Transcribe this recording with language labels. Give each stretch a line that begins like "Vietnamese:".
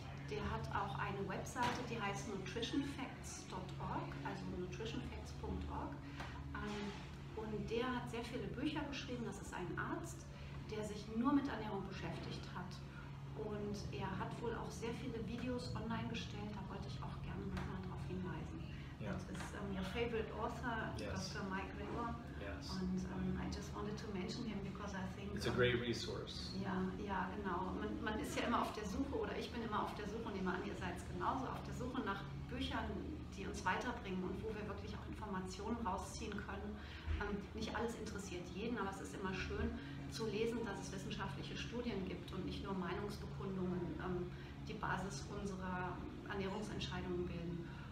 German: Der hat auch eine Webseite, die heißt nutritionfacts.org, also nutritionfacts.org. Und der hat sehr viele Bücher geschrieben. Das ist ein Arzt, der sich nur mit Ernährung beschäftigt hat. Und er hat wohl auch sehr viele Videos online gestellt, da wollte ich auch gerne nochmal darauf hinweisen. Das ist
English: your favorite author, yes. Dr. Mike Gregor. Yes. Und I just wanted to mention him because I think... It's a great resource.
German: Ja, genau. Man ist ja immer auf der Suche, oder ich bin immer auf der Suche, nehme an, ihr seid es genauso, auf der Suche nach Büchern, die uns weiterbringen und wo wir wirklich auch Informationen rausziehen können. Nicht alles interessiert jeden, aber es ist immer schön zu lesen, dass es wissenschaftliche Studien gibt und nicht nur Meinungsbekundungen die Basis unserer Ernährungsentscheidungen bilden.